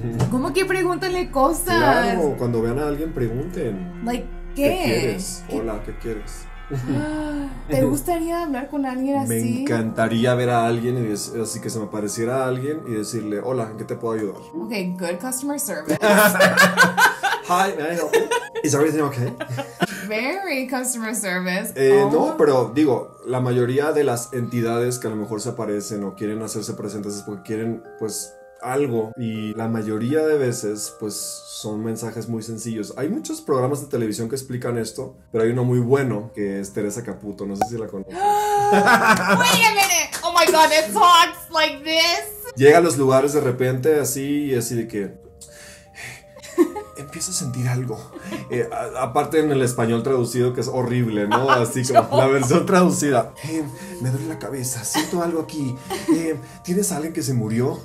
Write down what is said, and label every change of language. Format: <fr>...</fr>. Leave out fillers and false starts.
<es>¿Cómo que pregúntale cosas? Claro, cuando vean a alguien, pregunten. Like, ¿qué? ¿Qué quieres? Hola, ¿qué quieres? ¿Te gustaría hablar con alguien así? Me encantaría ver a alguien así que se me apareciera alguien y decirle, hola, ¿en qué te puedo ayudar?</es> <en>Ok, good customer service. Hi, may I help you? Is everything okay? Very customer service.</en> <es>No, pero digo, la mayoría de las entidades que a lo mejor se aparecen o quieren hacerse presentes es porque quieren, pues... algo, y la mayoría de veces pues son mensajes muy sencillos. Hay muchos programas de televisión que explican esto, pero hay uno muy bueno que es Teresa Caputo, no sé si la conoces.</es> <en>Wait a minute, oh my god, it talks like this.</en> <es>Llega a los lugares de repente así y así de que empiezo a sentir algo. Aparte en el español traducido, que es horrible, ¿no? Así como la versión traducida. Me duele la cabeza, siento algo aquí. ¿Tienes a alguien que se murió?</es>